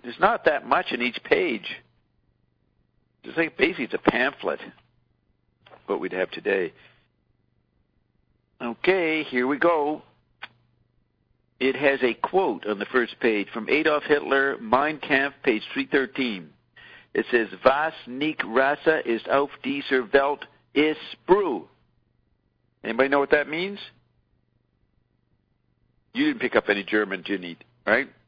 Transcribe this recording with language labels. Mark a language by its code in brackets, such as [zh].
[en] There's not that much in each page. It's like basically it's a pamphlet, what we'd have today. Okay, here we go. It has a quote on the first page from Adolf Hitler, Mein Kampf, page 313. It says, [de] Was nicht Rasse ist auf dieser Welt ist Sprue. [en] Anybody know what that means? You didn't pick up any German, Janine, right?